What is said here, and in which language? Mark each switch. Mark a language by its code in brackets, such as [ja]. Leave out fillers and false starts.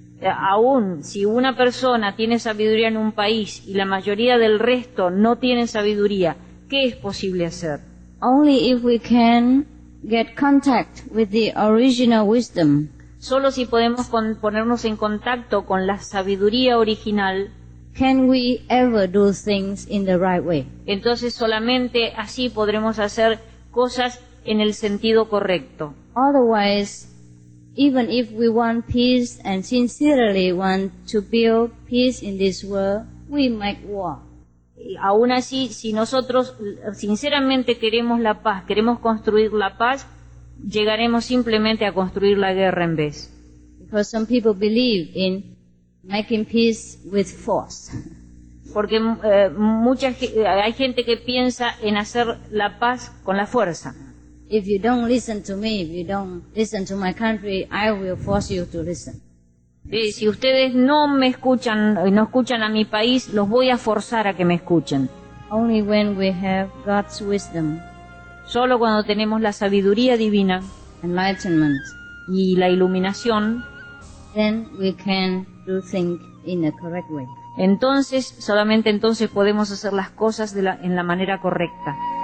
[es] aún si una persona tiene sabiduría en un país y la mayoría del resto no tiene sabiduría, ¿qué es posible hacer? [en] Only if we can get contact with the original wisdom. [es] Solo si podemos ponernos en contacto con la sabiduría original, [en] can we ever do things in the right way? [es] Entonces solamente así podremos hacer cosas en el sentido correcto. [en] Otherwise, even if we want peace and sincerely want to build peace in this world, we make war. [es] Aún así, si nosotros sinceramente queremos la paz, queremos construir la paz, llegaremos simplemente a construir la guerra en vez. [en] Because some people believe in making peace with force. [es] Porque hay gente que piensa en hacer la paz con la fuerza. [en] If you don't listen to me, if you don't listen to my country, I will force you to listen. [es] Si ustedes no me escuchan, no escuchan a mi país, los voy a forzar a que me escuchen. [en] Only when we have God's wisdom, [es] solo cuando tenemos la sabiduría divina, [en] enlightenment, [es] y la iluminación, [en] then we can do things in a correct way. [es] Entonces, solamente entonces podemos hacer las cosas en la manera correcta.